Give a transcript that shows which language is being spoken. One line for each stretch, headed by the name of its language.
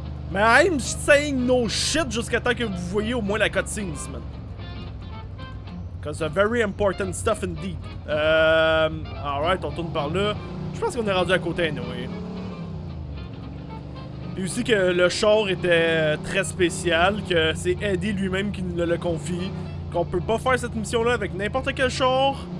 French: Mais
English: I'm saying no shit
French: jusqu'à temps que vous voyez au moins la cutscene, man.
English: Cause it's very important stuff indeed.
French: Alright, on tourne par là. Je pense qu'on est rendu à côté anyway. Et aussi que le char était très spécial, que c'est Eddie lui-même qui nous le confie. Qu'on peut pas faire cette mission-là avec n'importe quel char.